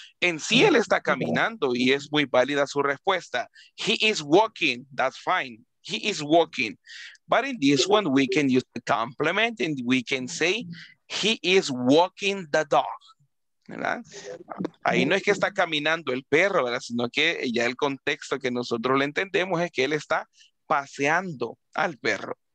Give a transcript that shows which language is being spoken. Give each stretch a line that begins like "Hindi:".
Spanish: En sí, él está caminando y es muy válida su respuesta.
English: He is walking, that's fine. He is walking. But in this one, we can use the complement and we can say, he is walking the dog.
Spanish: ¿Verdad? Ahí no es que está caminando el perro, ¿verdad? Sino que ya el contexto que nosotros le entendemos es que él está paseando al perro.